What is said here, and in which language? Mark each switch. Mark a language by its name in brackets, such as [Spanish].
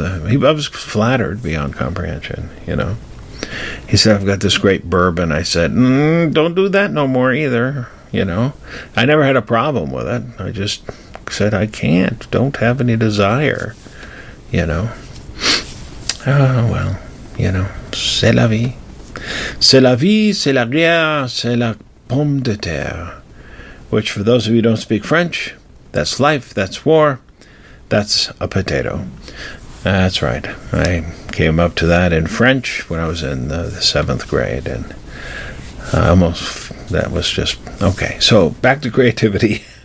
[English] I was flattered beyond comprehension, you know. He said, I've got this great bourbon. I said, don't do that no more either, you know. I never had a problem with it. I just said, I can't. Don't have any desire, you know. Oh, well, you know, [French] c'est la vie. C'est la vie, c'est la guerre, c'est la pomme de terre. [English] Which, for those of you who don't speak French, that's life, that's war, that's a potato. That's right. I came up to that in French when I was in the seventh grade, and almost that was just... Okay, so back to creativity.